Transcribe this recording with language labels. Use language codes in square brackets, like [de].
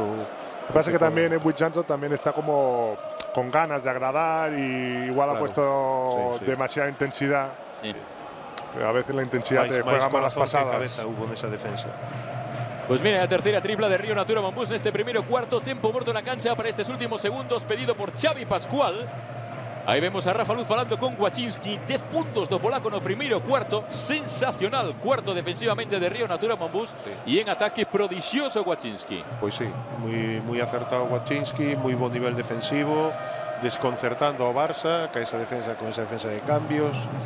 [es] Lo que pasa es que también Edwin Jackson también está como con ganas de agradar y igual claro. Ha puesto demasiada intensidad. Sí. Pero a veces la intensidad te juega malas pasadas. Que cabeza hubo en esa defensa. Pues mira, la tercera tripla de Río Natura Mombus en este primero cuarto. Tempo muerto en la cancha para estos últimos segundos, pedido por Xavi Pascual. Ahí vemos a Rafa Luz falando con Wachinski. [gl] 10 puntos do polaco no primeiro cuarto. [es] Sensacional cuarto defensivamente de Río Natura Mombus. Sí. Y en ataque prodigioso Wachinski. Pues sí, muy, muy acertado Wachinski. Muy buen nivel defensivo. Desconcertando a Barça. Cae esa defensa con esa defensa de cambios.